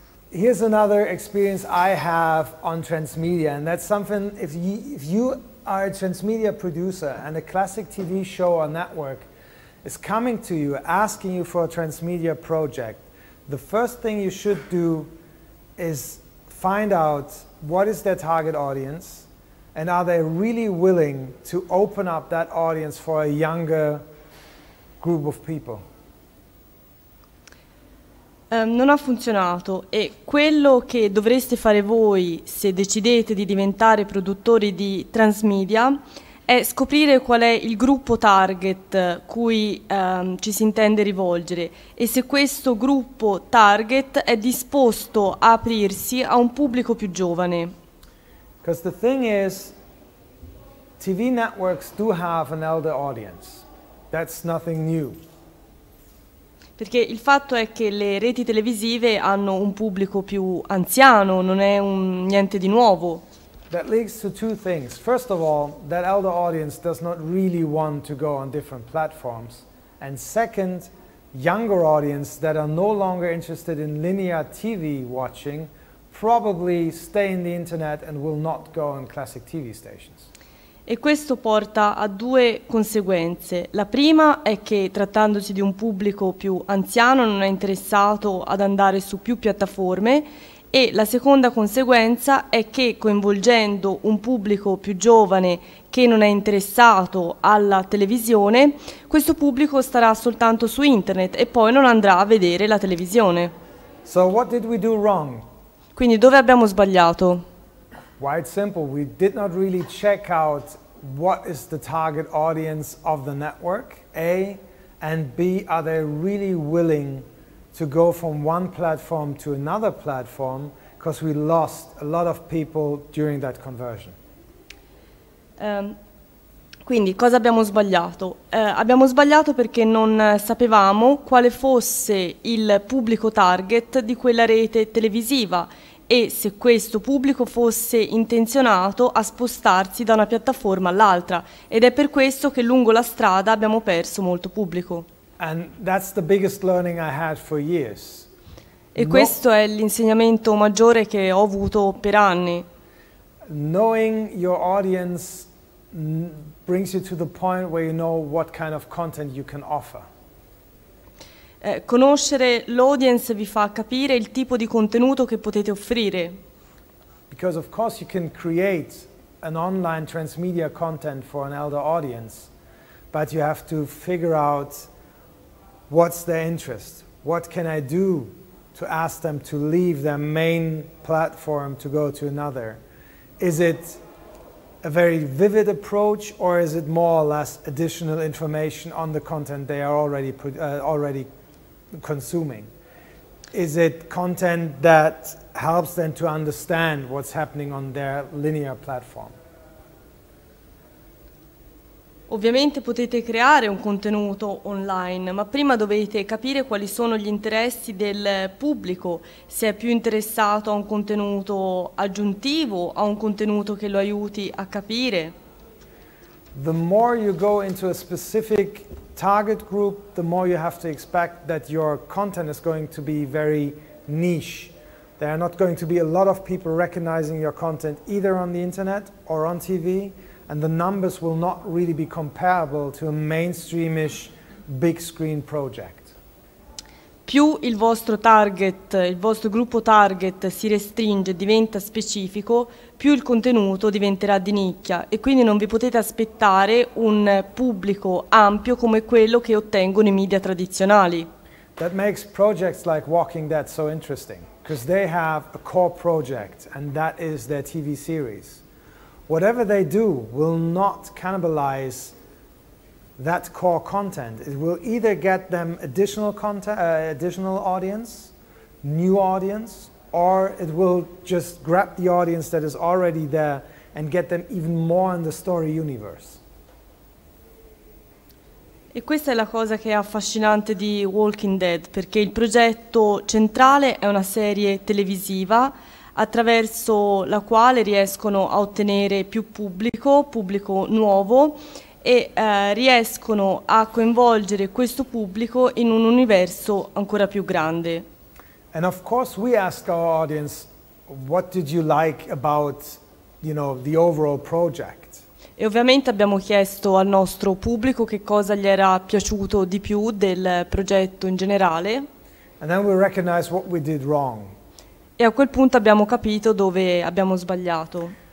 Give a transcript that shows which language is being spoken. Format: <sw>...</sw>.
<en>Here's another experience I have on transmedia, and that's something, if you are a transmedia producer and a classic TV show or network is coming to you, asking you for a transmedia project, the first thing you should do is find out what is their target audience and are they really willing to open up that audience for a younger group of people.</en> <it>Non ha funzionato e quello che dovreste fare voi se decidete di diventare produttori di transmedia è scoprire qual è il gruppo target cui ci si intende rivolgere e se questo gruppo target è disposto a aprirsi a un pubblico più giovane.</it> <en>Because the thing is, TV networks do have an elder audience. That's nothing new.</en> <it>Perché il fatto è che le reti televisive hanno un pubblico più anziano, non è niente di nuovo.</it> <en>That leads to two things. First of all, that elder audience does not really want to go on different platforms. And second, younger audience that are no longer interested in linear TV watching probably stay in the internet and will not go on classic TV stations.</en> <it>E questo porta a due conseguenze. La prima è che trattandosi di un pubblico più anziano non è interessato ad andare su più piattaforme. E la seconda conseguenza è che coinvolgendo un pubblico più giovane che non è interessato alla televisione, questo pubblico starà soltanto su internet e poi non andrà a vedere la televisione.</it> <en>So what did we do wrong?</en> <it>Quindi dove abbiamo sbagliato?</it> <en>Why, it's simple. We did not really check out what is the target audience of the network, A, and B, are they really willing to go from one platform to another platform, because we lost a lot of people during that conversion.</en> <it>Quindi, cosa abbiamo sbagliato? Abbiamo sbagliato perché non sapevamo quale fosse il pubblico target di quella rete televisiva e se questo pubblico fosse intenzionato a spostarsi da una piattaforma all'altra. Ed è per questo che lungo la strada abbiamo perso molto pubblico.</it> <en>And that's the biggest learning I had for years.</en> <it>E questo è l'insegnamento maggiore che ho avuto per anni.</it> <en>Knowing your audience brings you to the point where you know what kind of content you can offer.</en> <it>Conoscere l'audience vi fa capire il tipo di contenuto che potete offrire.</it> <en>Because of course you can create an online transmedia content for an elder audience, but you have to figure out what's their interest? What can I do to ask them to leave their main platform to go to another? Is it a very vivid approach or is it more or less additional information on the content they are already consuming? Is it content that helps them to understand what's happening on their linear platform?</en> <it>Ovviamente potete creare un contenuto online, ma prima dovete capire quali sono gli interessi del pubblico, se è più interessato a un contenuto aggiuntivo, a un contenuto che lo aiuti a capire.</it> <en>The more you go into a specific target group, the more you have to expect that your content is going to be very niche. There are not going to be a lot of people recognizing your content either on the internet or on TV. And the numbers will not really be comparable to a mainstreamish big screen project.</en> <it>Più il vostro target, il vostro gruppo target si restringe, diventa specifico, più il contenuto diventerà di nicchia e quindi non vi potete aspettare un pubblico ampio come quello che ottengono i media tradizionali.</it> <en>That makes projects like Walking Dead so interesting, because they have a core project and that is their TV series. Whatever they do will not cannibalize that core content. It will either get them additional content, additional audience, new audience, or it will just grab the audience that is already there and get them even more in the story universe.</en> <it>E questa è la cosa che è affascinante di Walking Dead, perché il progetto centrale è una serie televisiva attraverso la quale riescono a ottenere più pubblico, pubblico nuovo, e riescono a coinvolgere questo pubblico in un universo ancora più grande.</it> <en>And of course we ask our audience, what did you like about, you know, the overall project?</en> <it>E ovviamente abbiamo chiesto al nostro pubblico che cosa gli era piaciuto di più del progetto in generale.</it> <en>And then we recognize what we did wrong.</en> <it>E a quel punto abbiamo capito dove abbiamo sbagliato.</it>